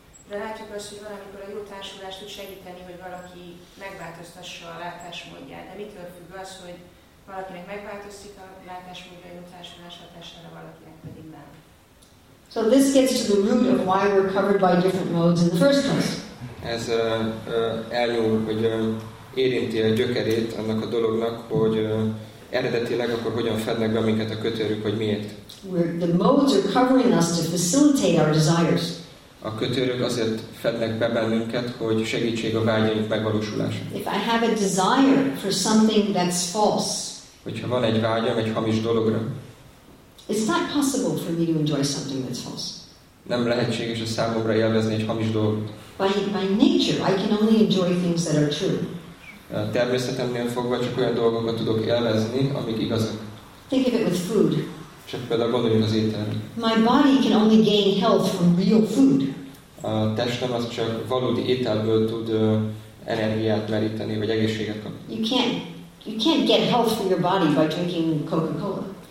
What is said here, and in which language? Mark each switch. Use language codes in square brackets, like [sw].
[hu] De látjuk azt, hogy valamikor a jó társulás tud segíteni, hogy valaki megváltoztassa a látásmódját. De mitől függ az, hogy valakinek megváltoztik a látásmódja a jó társulás hatására, valakinek pedig nem. [en] So this gets to the root of why we're covered by different modes in the first place. [hu] Ez eljön, hogy érinti a gyökerét annak a dolognak, hogy eredetileg akkor hogyan fednek be minket a kötőrük, hogy miért. [en] The modes are covering us to facilitate our desires. [hu] A kötőrök azért fednek be bennünket, hogy segítség a vágyaink megvalósulása. [en] If I have a desire for something that's false, [hu] hogyha van egy vágyam egy hamis dologra, [en] it's not possible for me to enjoy something that's false. [hu] Nem lehetséges a számomra élvezni egy hamis dolgot. [en] By nature, I can only enjoy things that are true. [hu] A természetemnél fogva csak olyan dolgokat tudok élvezni, amik igazak. [en] Think of it with food. [hu] Csak például gondoljunk az ételre. [en] My body can only gain health from real food. [hu] A testem az csak valódi ételből tud energiát meríteni, vagy egészséget kapni. [en] You can't get health for your body by drinking Coca-Cola.